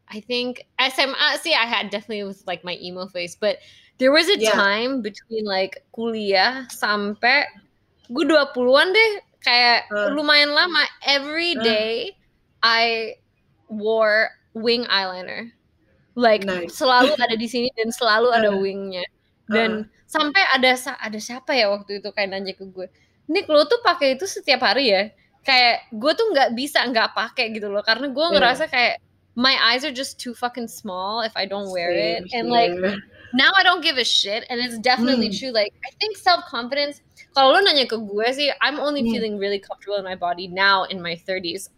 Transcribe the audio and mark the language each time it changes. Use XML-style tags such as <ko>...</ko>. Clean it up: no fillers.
<en>I think SMA, see, I had definitely was like my emo face, but there was a time between like</en> <id>kuliah sampai gue 20-an deh, kayak lumayan lama,</id> <en>every day I wore wing eyeliner.</en> <id>Like selalu ada di sini dan selalu ada wingnya. Dan sampai ada siapa ya waktu itu kayak nanya ke gue, Nick, lo tuh pakai itu setiap hari ya? Kayak gue tuh gak bisa gak pakai gitu loh, karena gue ngerasa kayak,</id> <en>my eyes are just too fucking small if I don't wear it. And like, now I don't give a shit. And it's definitely true. Like, I think self-confidence,</en> <id>kalau lo nanya ke gue sih,</id> <en>I'm only feeling really comfortable in my body now in my 30s.</en>